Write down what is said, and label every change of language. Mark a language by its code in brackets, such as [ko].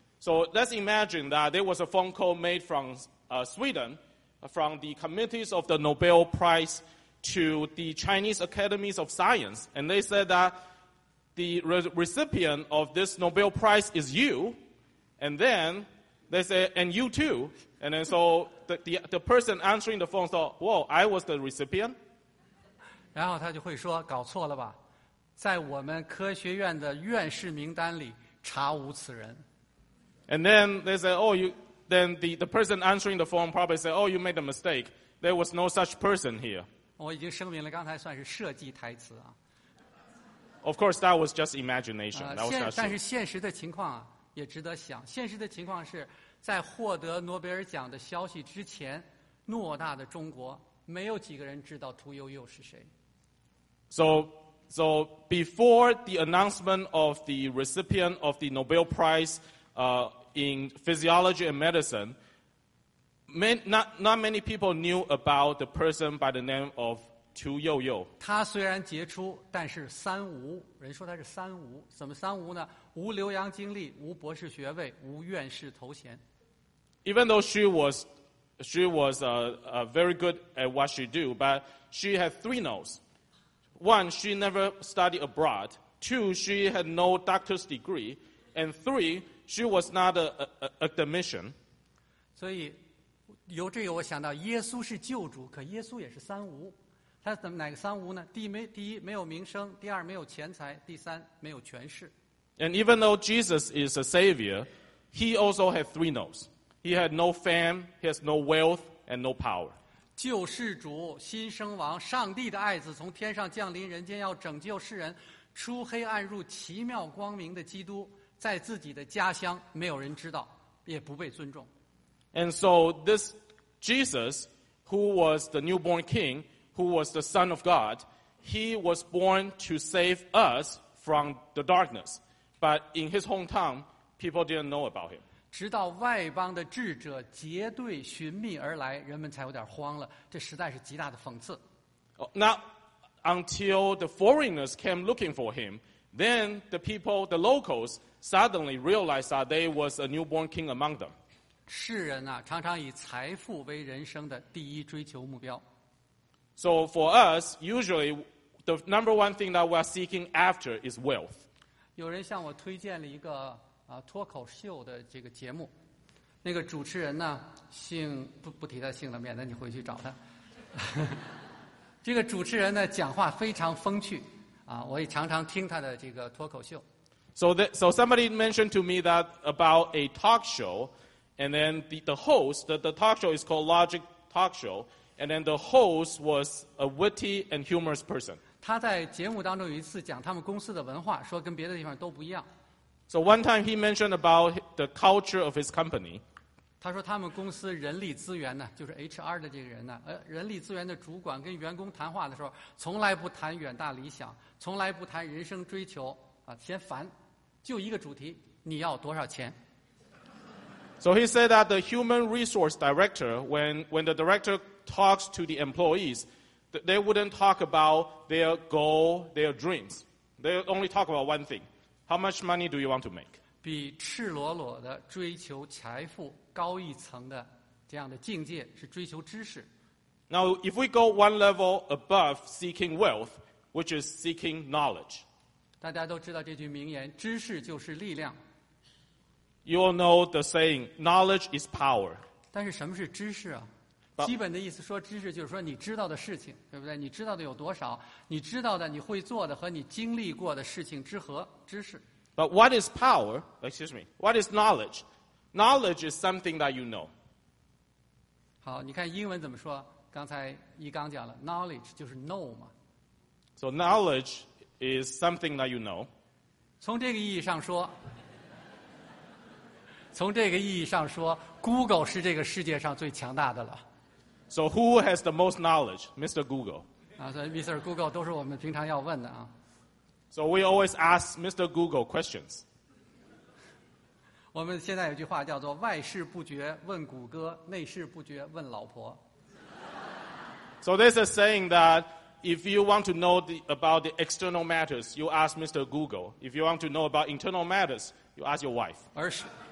[en] So let's imagine that there was a phone call made from Sweden, from the committees of the Nobel Prize to the Chinese Academies of Science. And they said that the recipient of this Nobel Prize is you. And then they said, and you too. And then so the person answering the phone thought, whoa, I was the recipient. [zh] 然后他就会说搞错了吧，在我们科学院的院士名单里查无此人。 [en] And then they said, oh, the person answering the phone probably said, oh, you made a mistake. There was no such person here. [zh] 我已经声明了，刚才算是设计台词啊。 [en] Of course, that was just imagination. That was not true. [zh] 但是现实的情况啊，也值得想。现实的情况是。在获得诺贝尔奖的消息之前，偌大的中国没有几个人知道屠呦呦是谁。 [en] So before the announcement of the recipient of the Nobel Prize, in physiology and medicine, not many people knew about the person by the name of 屠呦呦。 [zh] 他虽然杰出，但是三无。人说他是三无，怎么三无呢？无留洋经历，无博士学位，无院士头衔。 [en] Even though she was very good at what she do, but she had three no's. One, she never studied abroad. Two, she had no doctor's degree. And three, she was not an academician. [zh] 所以由这个我想到耶稣是救主，可耶稣也是三无。他怎么哪个三无呢？第一没有名声，第二没有钱财，第三没有权势。 [en] And even though Jesus is a savior, he also had three no's. He had no fame, he has no wealth, and no power. [zh] 救世主、新生王、上帝的爱子从天上降临人间，要拯救世人，出黑暗入奇妙光明的基督，在自己的家乡没有人知道，也不被尊重。 [en] And so this Jesus, who was the newborn king, who was the Son of God, he was born to save us from the darkness. But in his hometown, people didn't know about him. [zh] 直到外邦的智者结队寻觅而来，人们才有点慌了。这实在是极大的讽刺。 [en] Now, until the foreigners came looking for him, then the people, the locals, suddenly realized that there was a newborn king among them. [zh] 世人啊，常常以财富为人生的第一追求目标。 [en] So for us, usually, the number one thing that we are seeking after is wealth. [zh] 有人向我推荐了一个脱口秀的这个节目，那个主持人呢，姓不提他姓了，免得你回去找他。这个主持人呢，讲话非常风趣啊，我也常常听他的这个脱口秀。 [en] So somebody mentioned to me that about a talk show, and then the host, the talk show is called Logic Talk Show. And then the host was a witty and humorous person. [zh] 他在节目当中有一次讲他们公司的文化，说跟别的地方都不一样。 [en] So one time he mentioned about the culture of his company. [zh] 他说他们公司人力资源呢，就是 HR 的这个人呢，人力资源的主管跟员工谈话的时候，从来不谈远大理想，从来不谈人生追求啊，嫌烦，就一个主题，你要多少钱？ [en] So he said that the human resource director, when the director talks to the employees, they wouldn't talk about their goal, their dreams. They only talk about one thing. How much money do you want to make? [zh] 比赤裸裸的追求财富高一层的这样的境界是追求知识。 [en] Now, if we go one level above seeking wealth, which is seeking knowledge. [zh] 大家都知道这句名言，知识就是力量。 [en] You all know the saying, knowledge is power. [zh] 但是什么是知识啊？基本的意思说知识就是说你知道的事情，对不对？你知道的有多少？你知道的、你会做的和你经历过的事情之和知识。 [en] But what is power? Excuse me. What is knowledge? Knowledge is something that you know. [zh] 好，你看英文怎么说？刚才一刚讲了 ，knowledge 就是 know 嘛。 [en] So knowledge is something that you know. [zh] 从这个意义上说。从这个意义上说 ，Google 是这个世界上最强大的了。 [en] So who has the most knowledge, Mr. Google? [zh] 啊，所以 Mr. Google 都是我们平常要问的啊。 [en] So we always ask Mr. Google questions. [zh] 我们现在有句话叫做“外事不决问谷歌，内事不决问老婆”。 [en] So there's a saying that if you want to know about the external matters, you ask Mr. Google. If you want to know about internal matters, you ask your wife.